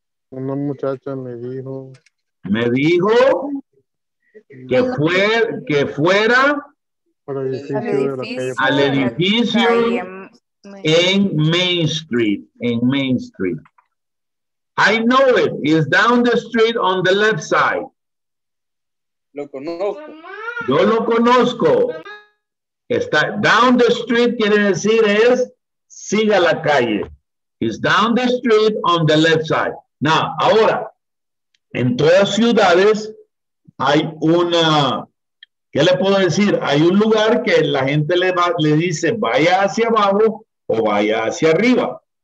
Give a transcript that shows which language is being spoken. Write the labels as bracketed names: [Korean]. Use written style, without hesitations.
[Spanish] Una muchacha me dijo. Me dijo que fue que fuera al edificio en Main Street. En [English] Main Street. I know it. It's down the street on the left side. [Spanish] Lo conozco. Yo lo conozco. Está [English] down the street [Spanish] quiere decir es siga la calle. [English] It's down the street on the left side. Now, [Spanish] ahora, en todas ciudades hay una, ¿qué le puedo decir? Hay un lugar que la gente le va, le dice vaya hacia abajo o vaya hacia arriba.